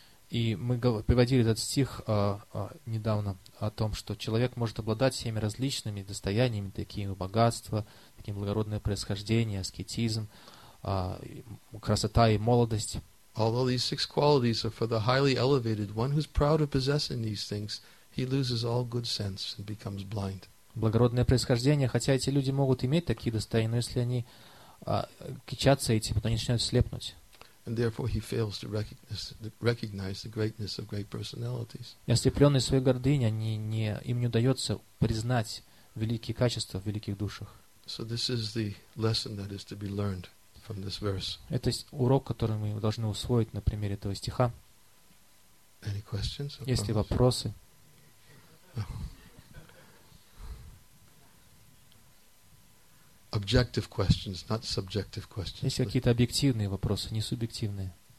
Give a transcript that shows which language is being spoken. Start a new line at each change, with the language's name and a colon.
Russian: И мы приводили этот стих недавно о том, что человек может обладать всеми различными достояниями, такими богатство, таким благородное происхождение, аскетизм, красота и молодость.
English: Although these six qualities are for the highly elevated, one who's proud of possessing these things, he loses all good sense and becomes blind.
Russian: Благородное происхождение, хотя эти люди могут иметь такие достояния, но если они кичатся этим, то они начинают слепнуть.
English: And therefore he fails to recognize the greatness of great personalities.
Russian: Ослепленные своей гордыней, им не удается признать великие качества в великих душах.
English: So this is the lesson that is to be learned from this verse.
Russian: Это урок, который мы должны усвоить на примере этого стиха.
English: Any questions?
Russian: Есть ли вопросы?
English: Objective questions, not subjective questions.
Russian: Есть какие-то объективные вопросы, не субъективные.